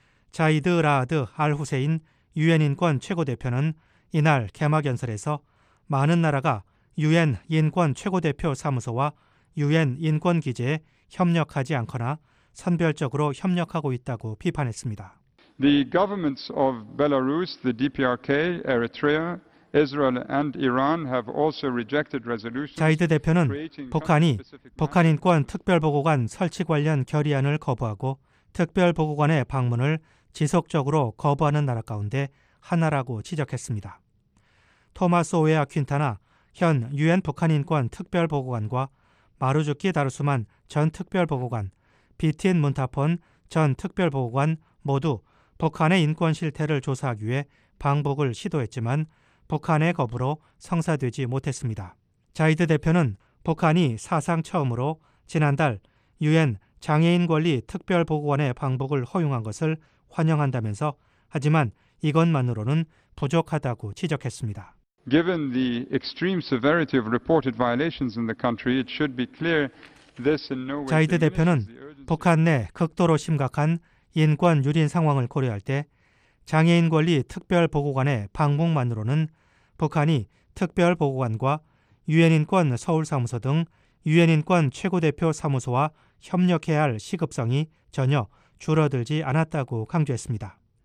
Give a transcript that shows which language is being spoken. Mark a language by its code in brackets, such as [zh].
[ko] 자이드 라드 알후세인 유엔인권 최고대표는 이날 개막연설에서 많은 나라가 유엔 인권 최고대표 사무소와 유엔 인권기재에 협력하지 않거나 선별적으로 협력하고 있다고 비판했습니다. [en] The governments of Belarus, the DPRK, Eritrea, Israel and Iran have also rejected resolutions. [ko] 자이드 대표는 북한이 북한인권특별보고관 설치 관련 결의안을 거부하고 특별보고관의 방문을 지속적으로 거부하는 나라 가운데 하나라고 지적했습니다. 토마스 오웨아 퀸타나 현 유엔 북한인권특별보고관과 마루즈키 다루스만 전 특별보고관, 비틴 문타폰 전 특별보고관 모두 북한의 인권 실태를 조사하기 위해 방북을 시도했지만 북한의 거부로 성사되지 못했습니다. 자이드 대표는 북한이 사상 처음으로 지난달 유엔 장애인권리특별보고관의 방북을 허용한 것을 환영한다면서 하지만 이것만으로는 부족하다고 지적했습니다. [en] Given the extreme severity of reported violations in the country, it should be clear this in no way. [ko] 자이드 대표는 북한 내 극도로 심각한 인권 유린 상황을 고려할 때 장애인 권리 특별 보고관의 방문만으로는 북한이 특별 보고관과 유엔 인권 서울 사무소 등 유엔 인권 최고 대표 사무소와 협력해야 할 시급성이 전혀 줄어들지 않았다고 강조했습니다.